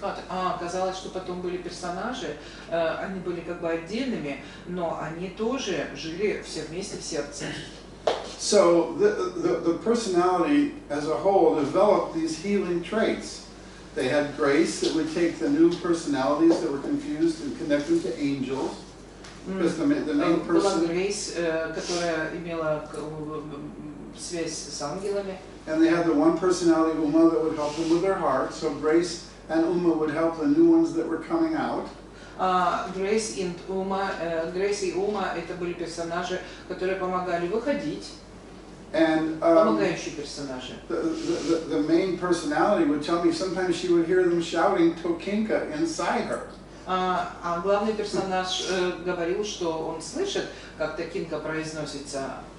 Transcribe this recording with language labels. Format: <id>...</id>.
<ru>Оказалось, что потом были персонажи, они были как бы отдельными, но они тоже жили все вместе в сердце.</ru> <en>So the personality as a whole developed these healing traits. They had grace that would take the new personalities that were confused and connect them to angels.</en> <ru>Была grace, которая имела связь с ангелами.</ru> <en>And they had the one personality, Uma, that would help them with their heart. So Grace and Uma would help the new ones that were coming out.</en> <ru>Grace and Uma, это были персонажи, которые помогали выходить.</ru> <en>And</en> <ru>помогающие персонажи.</ru> <en>The main personality would tell me sometimes she would hear them shouting Tokinka inside her.</en> <ru>А главный персонаж говорил, что он слышит, как Tokinka произносится.</ru>